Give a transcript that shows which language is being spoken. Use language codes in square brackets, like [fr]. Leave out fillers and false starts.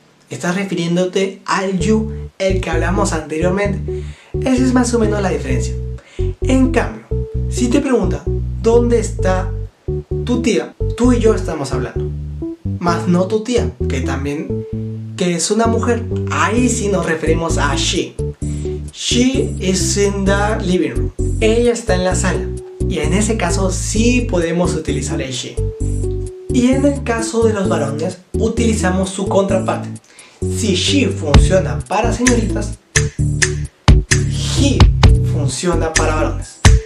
[es] Estás refiriéndote al you, el que hablamos anteriormente. Esa es más o menos la diferencia. En cambio, si te pregunta, ¿dónde está tu tía? Tú y yo estamos hablando. Más no tu tía, que también que es una mujer. Ahí sí nos referimos a she. [en] She is in the living room. [es] Ella está en la sala. Y en ese caso sí podemos utilizar el she. Y en el caso de los varones, utilizamos su contraparte. Si she funciona para señoritas, he funciona para varones.